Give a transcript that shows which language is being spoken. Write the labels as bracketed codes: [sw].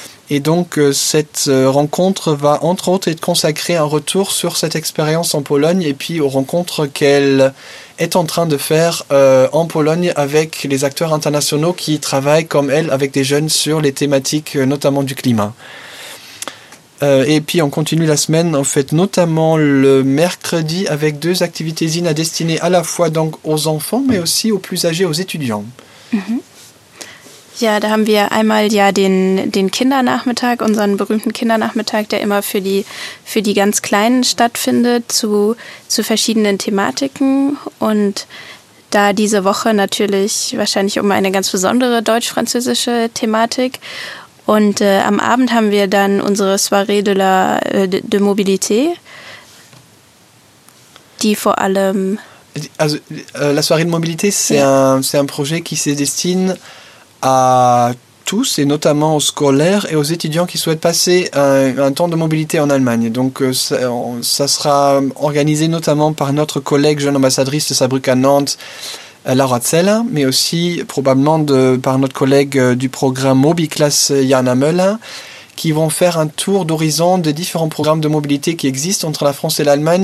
[fr] Et donc cette rencontre va entre autres être consacrée à un retour sur cette expérience en Pologne et puis aux rencontres qu'elle est en train de faire en Pologne avec les acteurs internationaux qui travaillent comme elle avec des jeunes sur les thématiques notamment du climat. Et puis on continue la semaine en fait notamment le mercredi avec deux activités Zina destinées à la fois donc aux enfants mais aussi aux plus âgés, aux étudiants. [de] Ja, da haben wir einmal ja den Kindernachmittag, unseren berühmten Kindernachmittag, der immer für die ganz Kleinen stattfindet, zu verschiedenen Thematiken. Und da diese Woche natürlich wahrscheinlich um eine ganz besondere deutsch-französische Thematik. Und am Abend haben wir dann unsere Soirée de Mobilité, die vor allem... [fr] Also, la Soirée de Mobilité, c'est un projet qui se destine à tous et notamment aux scolaires et aux étudiants qui souhaitent passer un temps de mobilité en Allemagne. Donc ça sera organisé notamment par notre collègue jeune ambassadrice de Saarbrück à Nantes, Laura Zeller, mais aussi probablement par notre collègue du programme MobiClass, Jana Möller, qui vont faire un tour d'horizon des différents programmes de mobilité qui existent entre la France et l'Allemagne.